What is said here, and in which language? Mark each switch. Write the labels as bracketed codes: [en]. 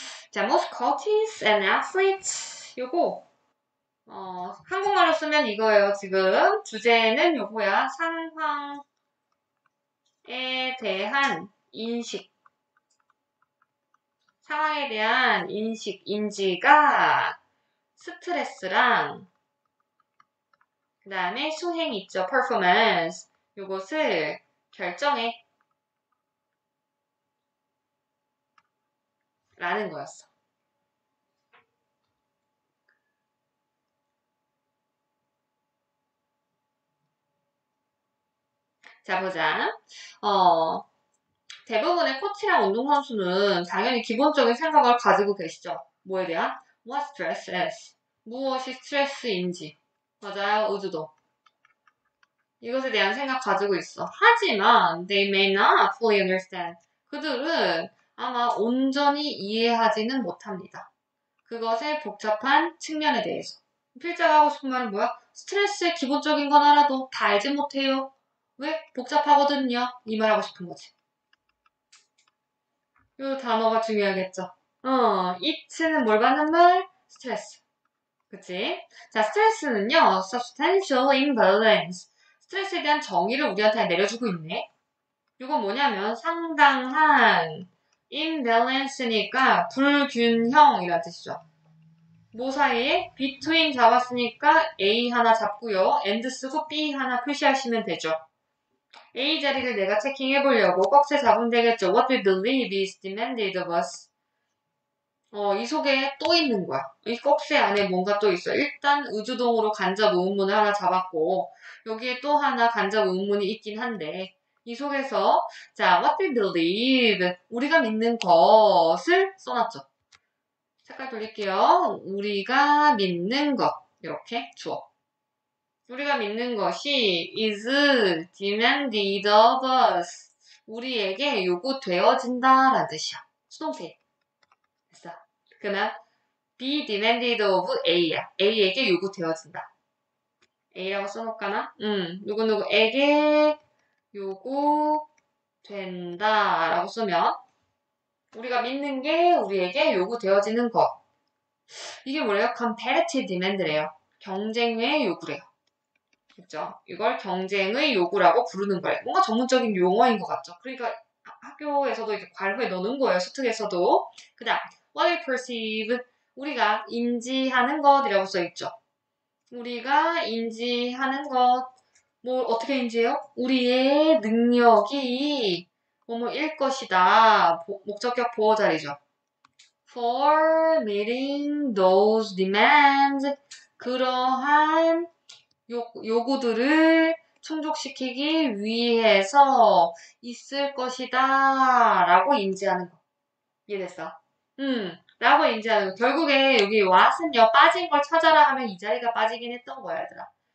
[en] 자, most coaches and athletes. [ko] 요거. 한국말로 쓰면 이거예요. 지금 주제는 요거야. 상황에 대한 인식. 상황에 대한 인식, 인지가 스트레스랑 그 다음에 수행 있죠. 퍼포먼스. 이것을 결정해. 라는 거였어. 자, 보자. 대부분의 코치랑 운동선수는 당연히 기본적인 생각을 가지고 계시죠. 뭐에 대한? [en] What stress is? [ko] 무엇이 스트레스인지. 맞아요, 우주도. 이것에 대한 생각 가지고 있어. 하지만, [en] they may not fully understand. [ko] 그들은 아마 온전히 이해하지는 못합니다. 그것의 복잡한 측면에 대해서. 필자가 하고 싶은 말은 뭐야? 스트레스의 기본적인 건 알아도 다 알지 못해요. 왜? 복잡하거든요. 이 말하고 싶은 거지. 이 단어가 중요하겠죠. It는 뭘 받는 말? 스트레스. 그치? 자, 스트레스는요. [en] Substantial imbalance. [ko] 스트레스에 대한 정의를 우리한테 내려주고 있네. 이건 뭐냐면 상당한 imbalance니까 불균형이라는 뜻이죠. 뭐 사이에 between 잡았으니까 A 하나 잡고요. and 쓰고 B 하나 표시하시면 되죠. A 자리를 내가 체킹해 보려고 꺽쇠 잡으면 되겠죠. [en] What we believe is demanded of us. [ko] 이 속에 또 있는 거야. 이 꺽쇠 안에 뭔가 또 있어. 일단 우주동으로 간접 의문문을 하나 잡았고, 여기에 또 하나 간접 의문문이 있긴 한데, 이 속에서, 자, what we believe, 우리가 믿는 것을 써놨죠. 색깔 돌릴게요. 우리가 믿는 것. 이렇게 주어. 우리가 믿는 것이 [en] is demanded of us. [ko] 우리에게 요구되어진다라는 뜻이야. 수동태. 그러면 [en] be demanded of [ko] A야. A에게 요구되어진다. A라고 써놓을까나? 누구누구에게 요구된다라고 쓰면 우리가 믿는 게 우리에게 요구되어지는 것. 이게 뭐래요? [en] competitive demand래요. [ko] 경쟁의 요구래요. 그죠? 이걸 경쟁의 요구라고 부르는 거예요. 뭔가 전문적인 용어인 것 같죠? 그러니까 학교에서도 이렇게 괄호에 넣는 거예요. 수특에서도. 그 다음, [en] what we perceive. [ko] 우리가 인지하는 것이라고 써 있죠. 우리가 인지하는 것. 뭐, 어떻게 인지해요? 우리의 능력이 뭐뭐일 것이다. 목적격 보호자리죠. [en] For meeting those demands. [ko] 그러한 요구들을 충족시키기 위해서 있을 것이다 라고 인지하는 거. 이해됐어? 라고 인지하는 거. 결국에 여기 what은요, 빠진 걸 찾아라 하면 이 자리가 빠지긴 했던 거야, 얘들아.